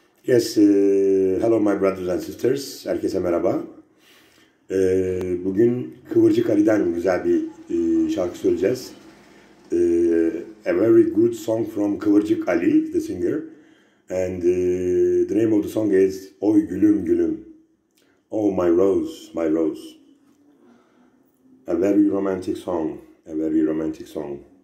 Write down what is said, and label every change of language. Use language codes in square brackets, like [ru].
[en] Yes, hello my brothers and sisters. [tr] Herkese merhaba. Bugün Kıvırcık Ali'den güzel bir şarkı söyleyeceğiz. [en] A very good song from Kıvırcık Ali, the singer. And the name of the song is Oy Gülüm Gülüm. Oh my rose, my rose. A very romantic song, a very romantic song.